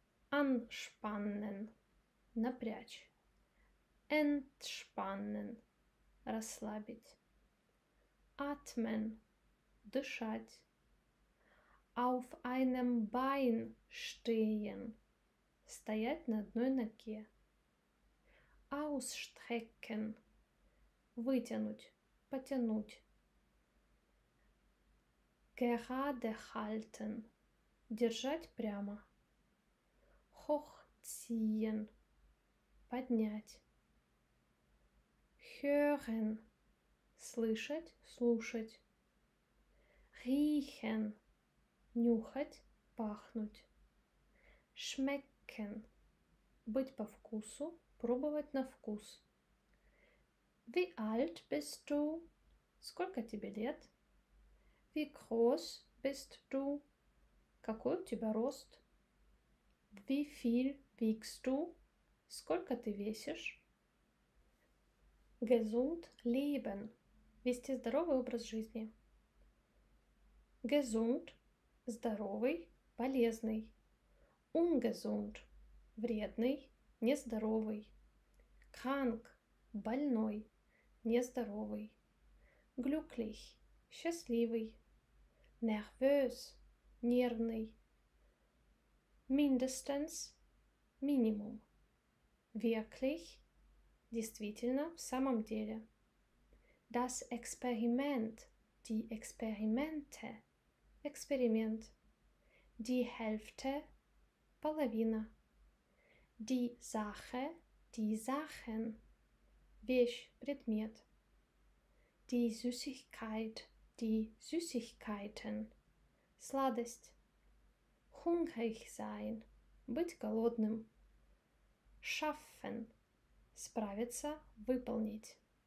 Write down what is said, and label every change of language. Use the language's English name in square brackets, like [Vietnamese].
[German] Anspannen, [Russian] напрячь. [German] Entspannen, [Russian] расслабить. [German] Atmen, [Russian] дышать. [German] Auf einem Bein stehen, [Russian] стоять на одной ноге. [German] Ausstrecken, [Russian] вытянуть, потянуть. [German] Gerade halten, [Russian] держать прямо. [German] Hochziehen, [Russian] поднять. [German] Hören, [Russian] слышать, слушать. [German] Riechen, [Russian] нюхать, пахнуть. [German] Schmecken, [Russian] быть по вкусу. Пробовать на вкус. [German] Wie alt bist du? [Russian] Сколько тебе лет? [German] Wie groß bist du? [Russian] Какой у тебя рост? [German] Wie viel wiegst du? [Russian] Сколько ты весишь? [German] Gesund leben. [Russian] Вести здоровый образ жизни. [German] Gesund [Russian] – здоровый, полезный. [German] Ungesund [Russian] – вредный, нездоровый. [German] Krank, [Russian] больной, нездоровый. [German] Glücklich, [Russian] счастливый. [German] Nervös, [Russian] нервный. [German] Mindestens, [Russian] минимум. [German] Wirklich, [Russian] действительно, в самом деле. [German] Das Experiment, die Experimente, [Russian] эксперимент. [German] Die Hälfte, [Russian] половина. [German] Die Sache, die Sachen, [Russian] вещь, предмет. [German] Die Süßigkeit, die Süßigkeiten, [Russian] сладость. [German] Hungrig sein, [Russian] быть голодным. [German] Schaffen, [Russian] справиться, выполнить.